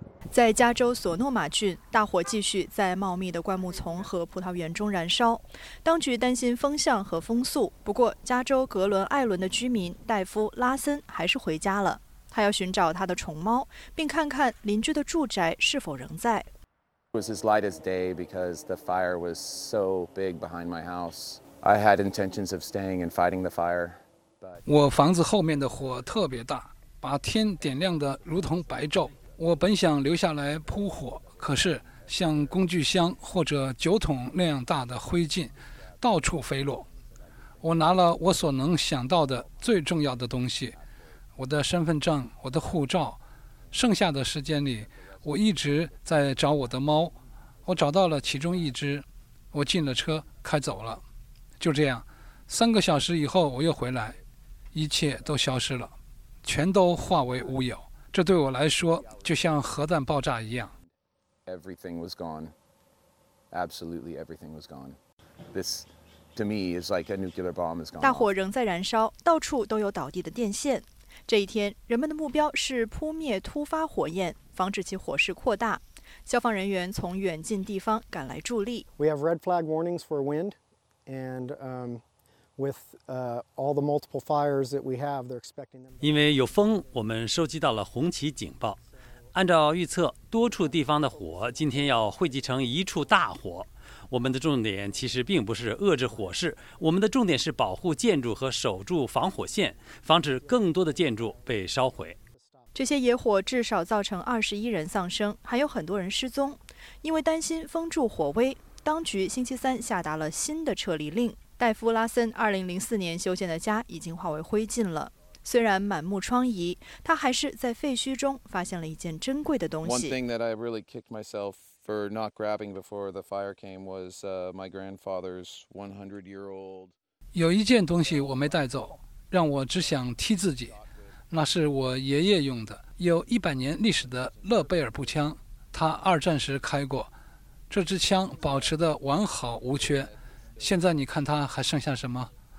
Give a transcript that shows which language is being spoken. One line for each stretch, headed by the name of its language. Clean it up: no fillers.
Chinese: 在加州索诺马郡，大火继续在茂密的灌木丛和葡萄园中燃烧。当局担心风向和风速，不过加州格伦艾伦的居民戴夫·拉森还是回家了。他要寻找他的宠猫，并看看邻居的住宅是否仍在。
English: It was as light as day because the fire was so big behind my house. I had intentions of staying and fighting the fire.
Chinese: 我房子后面的火特别大，把天点亮得如同白昼。我本想留下来扑火，可是像工具箱或者酒桶那样大的灰烬到处飞落。我拿了我所能想到的最重要的东西，我的身份证，我的护照。剩下的时间里我一直在找我的猫，我找到了其中一只，我进了车开走了。就这样，三个小时以后我又回来，一切都消失了，全都化为乌有。这对我来说就像核弹爆炸一样。
English: Everything was gone. Absolutely everything was gone. This, to me, is like a nuclear bomb is gone.
Chinese: 大火仍在燃烧，到处都有倒地的电线。这一天，人们的目标是扑灭突发火焰，防止其火势扩大。消防人员从远近地方赶来助力。
English: We have red flag warnings for wind, and with all the multiple fires that we have, they're expecting them.
Chinese: 因为有风，我们收集到了红旗警报。按照预测，多处地方的火今天要汇集成一处大火。我们的重点其实并不是遏制火势，我们的重点是保护建筑和守住防火线，防止更多的建筑被烧毁。这些野火至少造成21人丧生，还有很多人失踪。因为担心风助火威，当局星期三下达了新的撤离令。戴夫·拉森2004年修建的家已经化为灰烬了。虽然满目疮痍，他还是在废墟中发现了一件珍贵的东西。
English: One thing that I really kicked myself for not grabbing before the fire came was my grandfather's 100-year-old.
Chinese: 有一件东西我没带走，让我只想踢自己。那是我爷爷用的，有100年历史的勒贝尔步枪，他二战时开过。这支枪保持得完好无缺。现在你看它还剩下什么？